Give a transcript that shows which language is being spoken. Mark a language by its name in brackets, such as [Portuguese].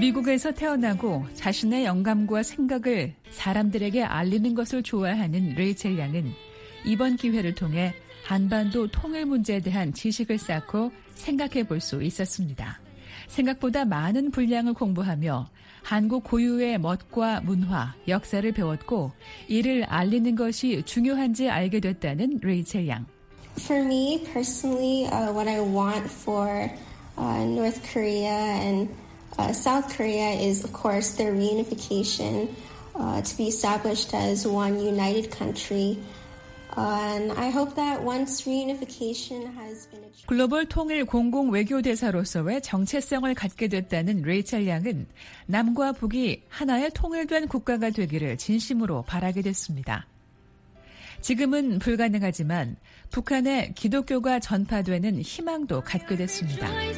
[Korean] 미국에서 태어나고 자신의 영감과 생각을 사람들에게 알리는 것을 좋아하는 레이첼 양은 이번 기회를 통해 한반도 통일 문제에 대한 지식을 쌓고 생각해 볼 수 있었습니다. 생각보다 많은 분량을 공부하며 한국 고유의 멋과 문화, 역사를 배웠고 이를 알리는 것이 중요한지 알게 됐다는 레이첼 양. [English] For me personally, what I want for North Korea and South Korea is of course their reunification to be established as one united country. And I hope that once reunification has been achieved. [Korean] 글로벌 통일 공공 외교대사로서의 정체성을 갖게 됐다는 레이첼 양은 남과 북이 하나의 통일된 국가가 되기를 진심으로 바라게 됐습니다. 지금은 불가능하지만 북한의 기독교가 전파되는 희망도 갖게 됐습니다.